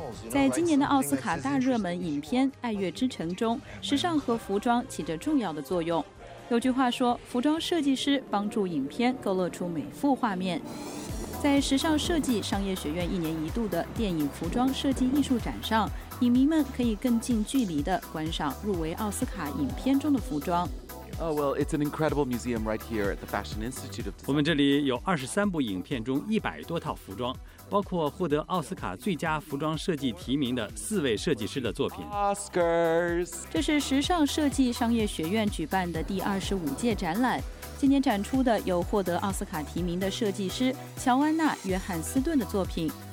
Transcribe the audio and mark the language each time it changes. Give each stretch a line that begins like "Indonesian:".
Chinese: 在今年的奥斯卡大热门影片《爱乐之城》中，时尚和服装起着重要的作用。有句话说，服装设计师帮助影片勾勒出每幅画面。在时尚设计商业学院一年一度的电影服装设计艺术展上，影迷们可以更近距离地观赏入围奥斯卡影片中的服装。
English: Oh, well, it's an incredible museum right here at the Fashion Institute of Design.
Chinese: 我们这里有23部影片中100多套服装，包括获得奥斯卡最佳服装设计提名的四位设计师的作品。
English: Oscars.
Chinese: 这是时尚设计商业学院举办的第25届展览。今年展出的有获得奥斯卡提名的设计师乔安娜·约翰斯顿的作品。